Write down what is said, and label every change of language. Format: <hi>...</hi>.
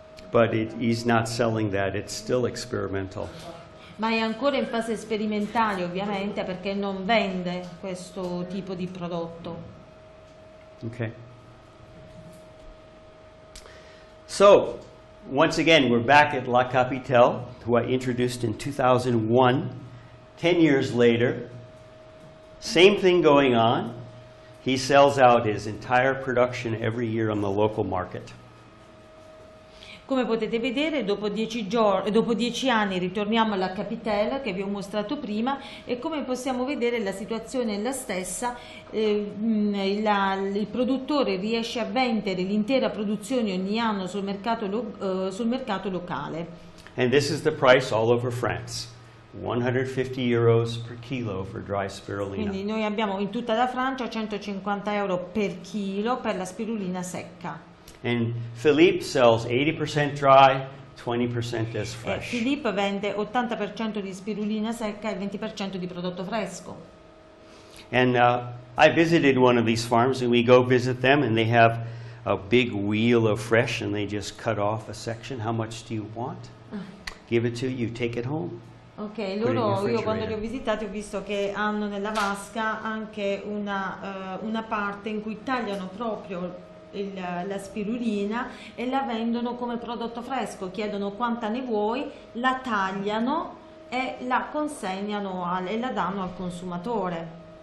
<en>But he's not selling that, it's still experimental.</en> <it>Ma è ancora in fase sperimentale, ovviamente, perché non vende questo tipo di prodotto.</it> <en>Ok. So, once again, we're back at La Capitelle, who I introduced in 2001. 10 years later, same thing going on. He sells out his entire production every year on the local market.</en> <it>Come potete vedere, dopo dieci anni ritorniamo alla Capitelle che vi ho mostrato prima e come possiamo vedere la situazione è la stessa, il produttore riesce a vendere l'intera produzione ogni anno sul mercato locale.</it> <en>And this is the price all over France, 150 euros per kilo for dry spirulina.</en> <it>Quindi noi abbiamo in tutta la Francia 150 euro per chilo per la spirulina secca.</it> <en>And Philippe sells 80% dry, 20% as fresh.</en> <it>Philippe vende 80% di spirulina secca e 20% di prodotto fresco.</it> <en>And I visited one of these farms and we go visit them and they have a big wheel of fresh and they just cut off a section. How much do you want? Give it to you, take it home.</en> <it>Ok, loro, io quando li ho visitati ho visto che hanno nella vasca anche una parte in cui tagliano proprio la spirulina e la vendono come prodotto fresco, chiedono quanta ne vuoi, la tagliano e la consegnano e la danno al consumatore.</it>